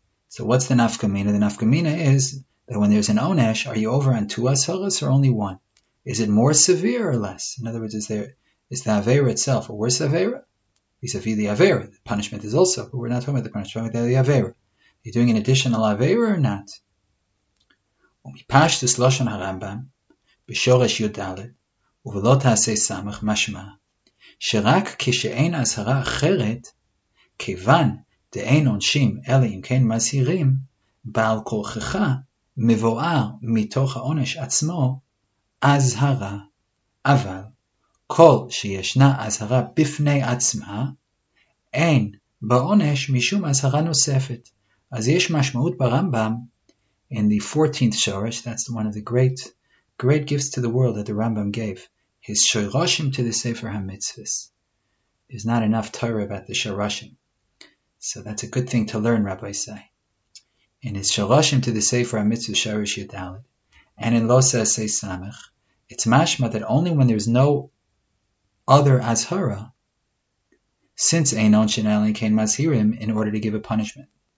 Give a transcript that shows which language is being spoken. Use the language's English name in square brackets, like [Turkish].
[English] So what's the nafka mina? The nafka mina is that when there's an onesh, are you over on two azharas or only one? Is it more severe or less? In other words, is the avera itself a worse avera? Vis-a-vis the avera, the punishment is also, but we're not talking about the punishment, we're talking about the avera. Are you doing an additional avera or not? [Hebrew] ומפשטוס לשון הרמב״ם בשורש י' ד' ובלא תעשה סמך משמע שרק כשאין אזהרה אחרת כיוון דאין עונשים אלא אם כן מזהירים בעל כורכך מבואר מתוך העונש עצמו אזהרה אבל כל שישנה אזהרה בפני עצמה אין בעונש משום אזהרה נוספת אז יש משמעות ברמב״ם [English] In the 14th Shorosh, that's one of the great, great gifts to the world that the Rambam gave. His Shoroshim to the Sefer HaMitzvahs. There's not enough Torah about the Shoroshim. So that's a good thing to learn, Rabbi Say. In his Shoroshim to the Sefer HaMitzvahs, Shorosh Yudalit, and in Lo Se'aseh Samech, it's mashma that only when there's no other Azhara, since Einon Shinalin Kein Mazhirim, in order to give a punishment.